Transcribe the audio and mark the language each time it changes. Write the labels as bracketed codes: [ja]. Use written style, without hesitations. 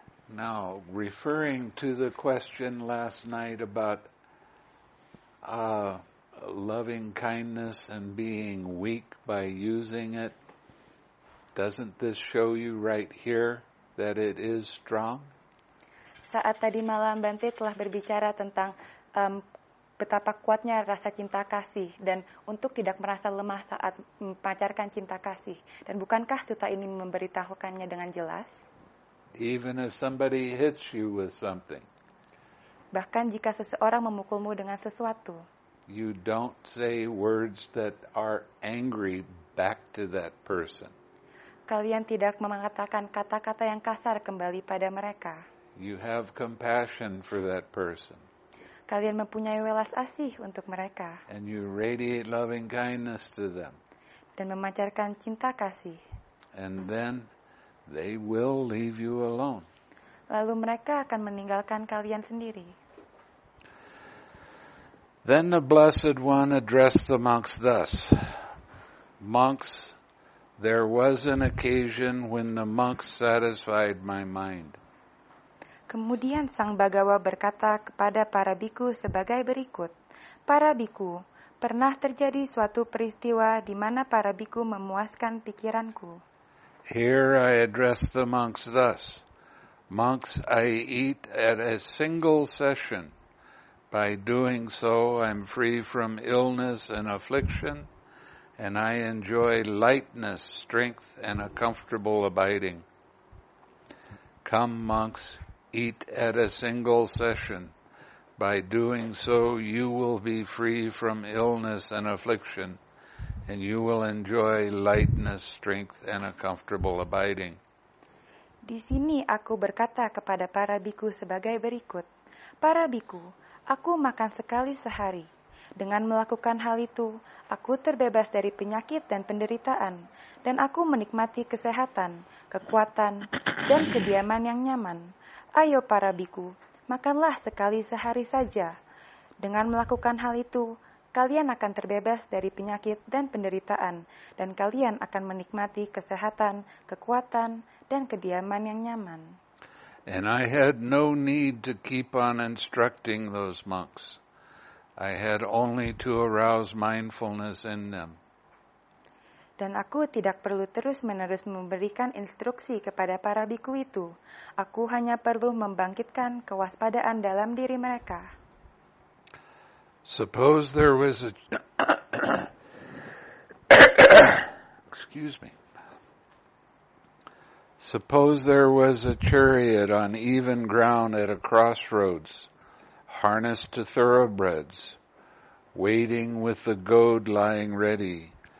[en] Now, referring to the question last night about loving kindness and being weak by using it, doesn't this show you right here that it is strong? [id] Saat tadi malam Bante telah berbicara tentang betapa kuatnya rasa cinta kasih dan untuk tidak merasa lemah saat memancarkan cinta kasih. Dan bukankah sutta ini memberitahukannya dengan jelas? [en] Even if somebody hits you with something. [id] Bahkan jika seseorang memukulmu dengan sesuatu. [en] You don't say words that are angry back to that person. [id] Kalian tidak mengatakan kata-kata yang kasar kembali pada mereka. [en] You have compassion for that person. [id] Kalian mempunyai welas asih untuk mereka. [en] And you radiate loving kindness to them. [id] Dan memancarkan cinta kasih. [en] And then they will leave you alone. [id] Lalu mereka akan meninggalkan kalian sendiri. [en] Then the Blessed One addressed the monks thus. Monks, there was an occasion when the monks satisfied my mind. [id] Kemudian Sang Bhagava berkata kepada para bhikkhu sebagai berikut. Para bhikkhu, pernah terjadi suatu peristiwa di mana para bhikkhu memuaskan pikiranku. [en] Here I address the monks thus. Monks, I eat at a single session. By doing so, I'm free from illness and affliction, and I enjoy lightness, strength, and a comfortable abiding. Come, monks, eat at a single session. By doing so, you will be free from illness and affliction, and you will enjoy lightness, strength, and a comfortable abiding. [id] Di sini aku berkata kepada para bhikkhu sebagai berikut. Para bhikkhu, aku makan sekali sehari. Dengan melakukan hal itu, aku terbebas dari penyakit dan penderitaan, dan aku menikmati kesehatan, kekuatan, dan kediaman yang nyaman. Ayo para bhikkhu, makanlah sekali sehari saja. Dengan melakukan hal itu, kalian akan terbebas dari penyakit dan penderitaan, dan kalian akan menikmati kesehatan, kekuatan, dan kediaman yang nyaman. [en] And I had no need to keep on instructing those monks. I had only to arouse mindfulness in them. [id] Dan aku tidak perlu terus-menerus memberikan instruksi kepada para bhikkhu itu. Aku hanya perlu membangkitkan kewaspadaan dalam diri mereka. [en] Suppose there was a excuse me. Suppose there was a chariot on even ground at a crossroads, harnessed to thoroughbreds, waiting with the goad lying ready,